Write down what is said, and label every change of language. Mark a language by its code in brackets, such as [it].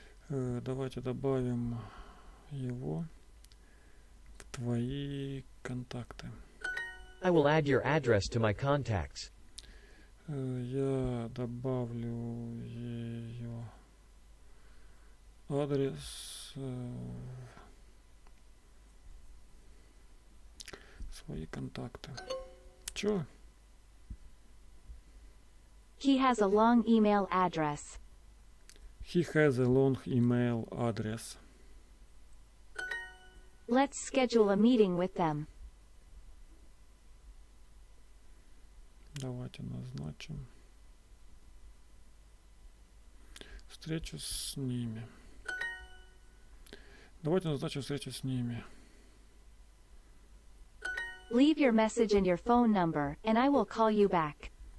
[ru] Давайте добавим его в твои контакты. [en] I will add your address to my contacts. [ru] Я добавлю ее адрес в свои контакты. Чё? [en] He has a long email address. He has a long email address. Let's schedule a meeting with them. [ru] Давайте назначим встречу с ними. Давайте назначим встречу с ними. [en] Leave your message and your phone number, and I will call you back.